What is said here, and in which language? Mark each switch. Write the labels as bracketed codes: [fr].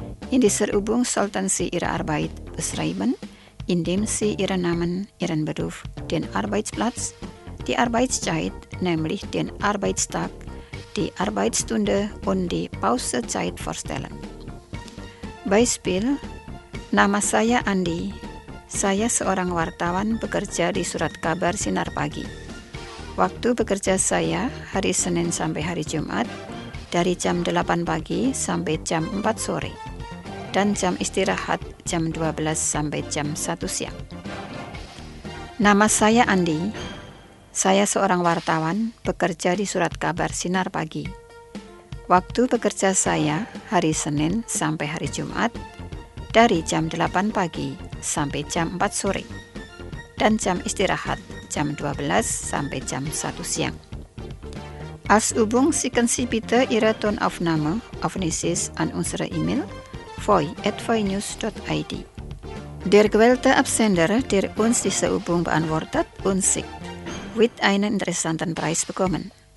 [de] In dieser Übung sollten Sie Ihre Arbeit beschreiben, indem Sie Ihren Namen, Ihren Beruf, den Arbeitsplatz, die Arbeitszeit, nämlich den Arbeitstag, die Arbeitsstunde und die Pausezeit vorstellen. [id] Beispiel: Nama saya Andi. Saya seorang wartawan bekerja di Surat Kabar Sinar Pagi. Waktu bekerja saya hari Senin sampai hari Jumat dari jam 8 pagi sampai jam 4 sore dan jam istirahat jam 12 sampai jam 1 siang. Nama saya Andi. Saya seorang wartawan bekerja di Surat Kabar Sinar Pagi. Waktu bekerja saya hari Senin sampai hari Jumat dari jam 8 pagi sampai jam 4 sore dan jam istirahat jam 12 sampai jam 1 siang. [de] Als Übung, Sie können Sie bitte Ihre Tonaufnahme aufnehmen an unsere E-Mail voi@voinews.id. Der gewählte Absender, der uns diese Übung beantwortet und sieht, wird einen interessanten Preis bekommen.